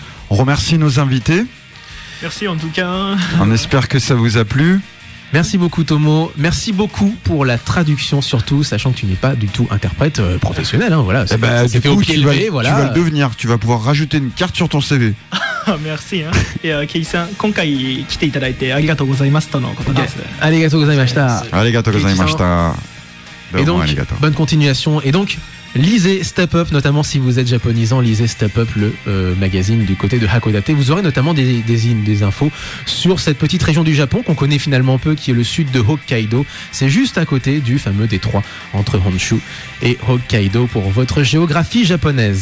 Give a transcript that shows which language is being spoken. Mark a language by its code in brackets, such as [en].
[fr] On remercie nos invités. Merci en tout cas. On espère que ça vous a plu. Merci beaucoup Tomo, merci beaucoup pour la traduction surtout, sachant que tu n'es pas du tout interprète professionnel, hein, voilà, c'est bah, du fait coup, au pied levé, voilà. Tu vas le devenir, tu vas pouvoir rajouter une carte sur ton CV. Merci, hein. Et [ja] Kei-san, 今回来ていただいて ありがとう ございます とのことです. ありがとう ございました. ありがとう ございました. [fr] Et donc, bonne continuation. Et donc, lisez Step Up, notamment si vous êtes japonisant, lisez Step Up, le magazine du côté de Hakodate. Vous aurez notamment des infos sur cette petite région du Japon qu'on connaît finalement peu, qui est le sud de Hokkaido. C'est juste à côté du fameux détroit entre Honshu et Hokkaido pour votre géographie japonaise.